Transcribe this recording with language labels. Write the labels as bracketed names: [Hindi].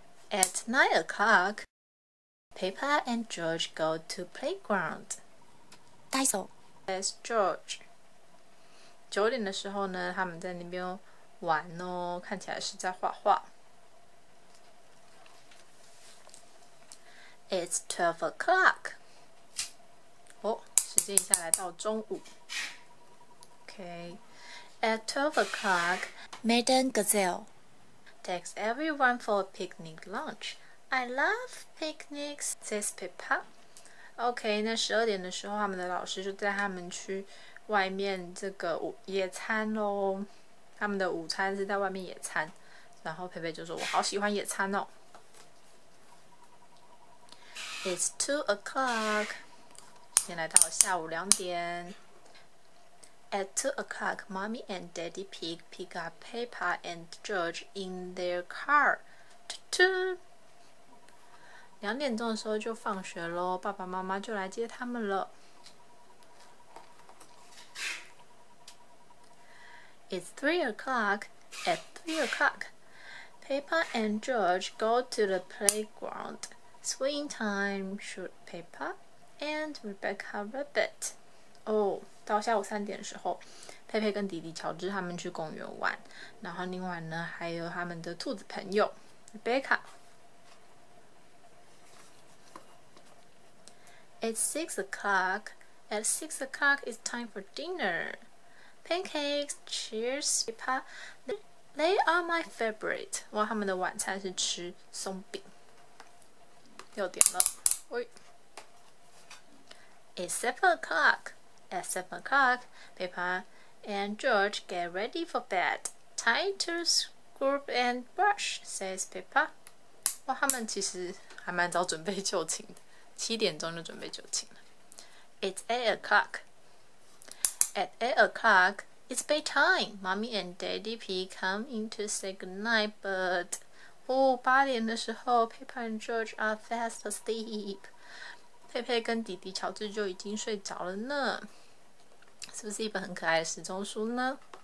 [English] At 9 o'clock, Peppa and George go to playground. [Chinese] 带走。 [English] Says George. [Chinese] 9点的时候呢，他们在那边玩哦，看起来是在画画。 It's 12 o'clock. 哦，时间一下来到中午。OK。 [English] At 12 o'clock, Madame Gazelle takes everyone for a picnic lunch. I love picnics, says Peppa. [Chinese] OK，那12点的时候，他们的老师就带他们去外面这个野餐喽。他们的午餐是在外面野餐，然后佩佩就说："我好喜欢野餐哦。 "It's 2 o'clock，时间来到了下午2点。 [English] At 2 o'clock, Mommy and Daddy Pig pick up Peppa and George in their car. Toot toot. [Chinese] 2点钟的时候就放学喽，爸爸妈妈就来接他们了。 [English] It's 3 o'clock. At 3 o'clock, Peppa and George go to the playground. Swing time, shoot Peppa and Rebecca Rabbit. [Chinese] 哦，到下午3点的时候，佩佩跟弟弟乔治他们去公园玩，然后另外呢，还有他们的兔子朋友 Rebecca。 [English] It's 6 o'clock. At 6 o'clock, it's time for dinner. Pancakes, cheers, Peppa. They are my favorite. [Chinese] 哇，他们的晚餐是吃松饼。 6点了，喂。 [English] It's 7 o'clock. At 7 o'clock, Peppa and George get ready for bed. Time to scrub and brush, says Peppa. [Chinese] 哇，他们其实还蛮早准备就寝的，7点钟就准备就寝了。 [English] It's 8 o'clock. At 8 o'clock, it's bedtime. Mommy and Daddy Pig come in to say goodnight, but 哦，8点的时候， Peppa and George are fast asleep. [Chinese] 佩佩跟弟弟乔治就已经睡着了呢。是不是一本很可爱的时钟书呢？